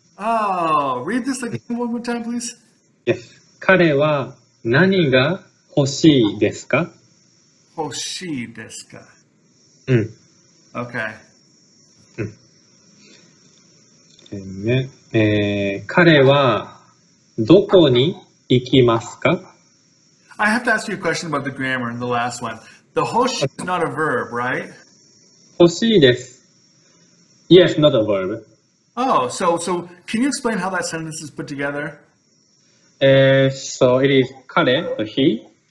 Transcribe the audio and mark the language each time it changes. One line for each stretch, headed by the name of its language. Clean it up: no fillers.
English: Oh, read this again one more time, please. Yes.
Japanese: 彼は何が欲しいですか? 欲しいですか?Okay. ね。彼はどこに行きますか?
English: I have to ask you a question about the grammar in the last one. The hoshi is not a verb, right? Hoshi desu. Yes, not a verb. Oh, so can you explain how that sentence is put together? So it is kare, so he.